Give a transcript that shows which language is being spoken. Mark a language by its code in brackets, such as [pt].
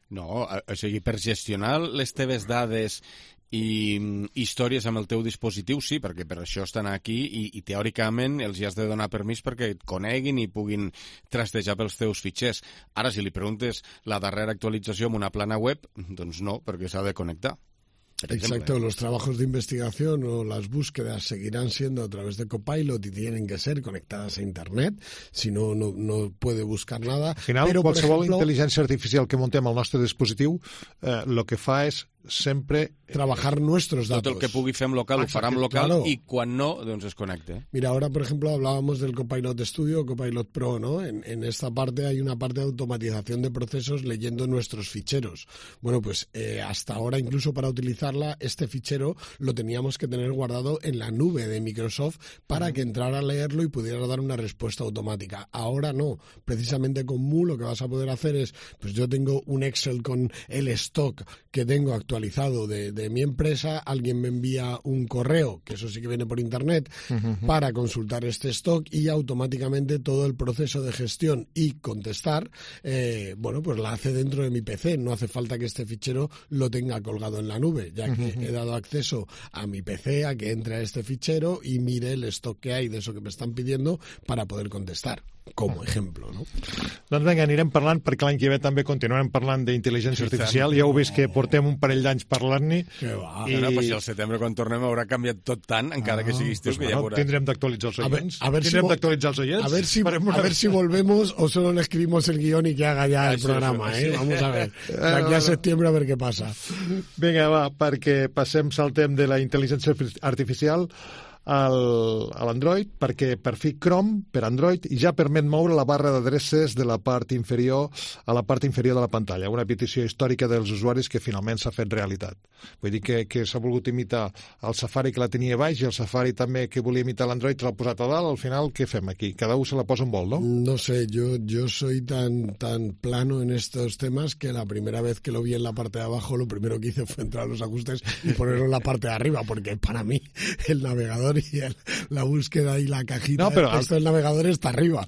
[ca] No, o sigui, per gestionar les teves dades i històries amb el teu dispositiu, sí, perquè per això estan aquí i teòricament els hi has de donar permís perquè et coneguin i puguin trastejar pels teus fitxers. Ara, si li preguntes la darrera actualització en una plana web, doncs no, perquè s'ha de connectar. [es] Exacto, los trabajos de investigación o las búsquedas seguirán siendo a través de Copilot y tienen que ser conectadas a internet, si no, no puede buscar nada. Al final, pero, [ca] qualsevol [es] ejemplo, [ca] intel·ligència artificial que montem al nostre dispositiu, lo que fa és sempre [es] trabajar nuestros datos. [ca] Tot el que pugui fer en local ho farà en local, claro. I quan no, doncs es connecte. [es] Mira, ahora, por ejemplo, hablábamos del Copilot Studio, Copilot Pro, ¿no? En esta parte hay una parte de automatización de procesos leyendo nuestros ficheros. Bueno, pues hasta ahora, incluso para utilizarla, este fichero lo teníamos que tener guardado en la nube de Microsoft para que entrara a leerlo y pudiera dar una respuesta automática. Ahora no. Precisamente con Mu lo que vas a poder hacer es, pues yo tengo un Excel con el stock que tengo actualizado de mi empresa, alguien me envía un correo, que eso sí que viene por internet, para consultar este stock y automáticamente todo el proceso de gestión y contestar, bueno, pues la hace dentro de mi PC. No hace falta que este fichero lo tenga colgado en la nube, ya que he dado acceso a mi PC a que entre a este fichero y mire el stock que hay de eso que me están pidiendo para poder contestar. [ca] Com a exemple, no? Doncs vinga, anirem parlant, perquè l'any que ve també continuarem parlant d'intel·ligència artificial. Ja heu vist que portem un parell d'anys parlant-ne. Que va. I però, si al setembre, quan tornem, haurà canviat tot tant, encara que sigui estiu, que ja veurà. Tindrem d'actualitzar els oients. [es] A ver si volvemos o solo le escribimos el guión y que haga ya el programa, Vamos a ver. [ca] D'aquí a setembre [es] a ver [ca] què passa. Vinga, va, perquè passem, saltem de la intel·ligència artificial a l'Android, perquè per fi Chrome, per Android, ja permet moure la barra d'adreces de la part inferior a la part inferior de la pantalla. Una petició històrica dels usuaris que finalment s'ha fet realitat. Vull dir que s'ha volgut imitar el Safari que la tenia baix i el Safari també que volia imitar l'Android l'ha posat a dalt. Al final, què fem aquí? Cada un se la posa on vol, no? [es] No sé, jo soy tan plano en estos temas que la primera vez que lo vi en la parte de abajo, lo primero que hice fue entrar a los ajustes y ponerlo en la parte de arriba, porque para mí el navegador y la búsqueda y la cajita del navegador está arriba.